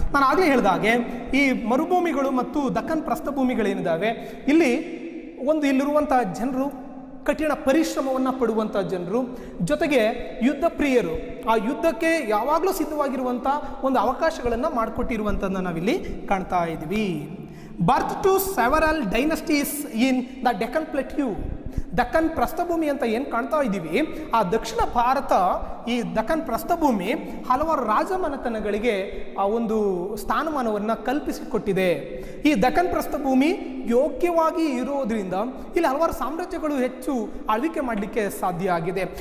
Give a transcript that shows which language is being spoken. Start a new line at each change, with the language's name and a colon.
Kannada: ನಾನು ಆಗಲೇ ಹೇಳಿದಾಗೆ ಈ ಮರುಭೂಮಿಗಳು ಮತ್ತು ದಕ್ಕನ್ ಪ್ರಸ್ಥಭೂಮಿಗಳೇನಿದ್ದಾವೆ, ಇಲ್ಲಿ ಒಂದು ಇಲ್ಲಿರುವಂಥ ಜನರು ಕಠಿಣ ಪರಿಶ್ರಮವನ್ನು ಪಡುವಂಥ ಜನರು, ಜೊತೆಗೆ ಯುದ್ಧ ಪ್ರಿಯರು, ಆ ಯುದ್ಧಕ್ಕೆ ಯಾವಾಗಲೂ ಸಿದ್ಧವಾಗಿರುವಂಥ ಒಂದು ಅವಕಾಶಗಳನ್ನು ಮಾಡಿಕೊಟ್ಟಿರುವಂಥದ್ದು ನಾವಿಲ್ಲಿ ಕಾಣ್ತಾ ಇದ್ದೀವಿ.
English: Birth to several dynasties in the Deccan Plateau.
Kannada: Deccan ಪ್ರಸ್ಥಭೂಮಿ ಅಂತ ಏನು ಕಾಣ್ತಾ ಇದ್ದೀವಿ, ಆ ದಕ್ಷಿಣ ಭಾರತ ಈ ದಕ್ಕನ್ ಪ್ರಸ್ಥಭೂಮಿ ಹಲವಾರು ರಾಜಮನೆತನಗಳಿಗೆ ಆ ಒಂದು ಸ್ಥಾನಮಾನವನ್ನು ಕಲ್ಪಿಸಿಕೊಟ್ಟಿದೆ. ಈ ದಕ್ಕನ್ ಪ್ರಸ್ಥಭೂಮಿ ಯೋಗ್ಯವಾಗಿ ಇರೋದ್ರಿಂದ ಇಲ್ಲಿ ಹಲವಾರು ಸಾಮ್ರಾಜ್ಯಗಳು ಹೆಚ್ಚು ಆಳ್ವಿಕೆ ಮಾಡಲಿಕ್ಕೆ ಸಾಧ್ಯ ಆಗಿದೆ.